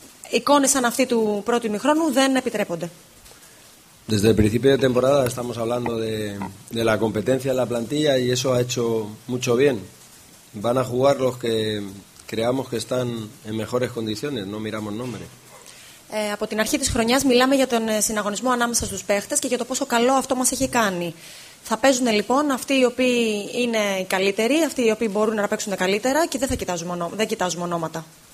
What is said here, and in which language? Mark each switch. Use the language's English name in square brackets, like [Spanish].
[Greek] Εικόνες σαν αυτή του πρώτου ημιχρόνου δεν επιτρέπονται. [Spanish] Desde el principio de temporada estamos hablando de la competencia en la plantilla y eso ha hecho mucho bien. Van a jugar los que creamos que están en mejores condiciones, no miramos nombre. [Greek] Από την αρχή της χρονιάς μιλάμε για τον συναγωνισμό ανάμεσα στους παίχτες και για το πόσο καλό αυτό μας έχει κάνει. Θα παίζουν λοιπόν αυτοί οι οποίοι είναι οι καλύτεροι, αυτοί οι οποίοι μπορούν να παίξουν καλύτερα και δεν κοιτάζουμε ονόματα.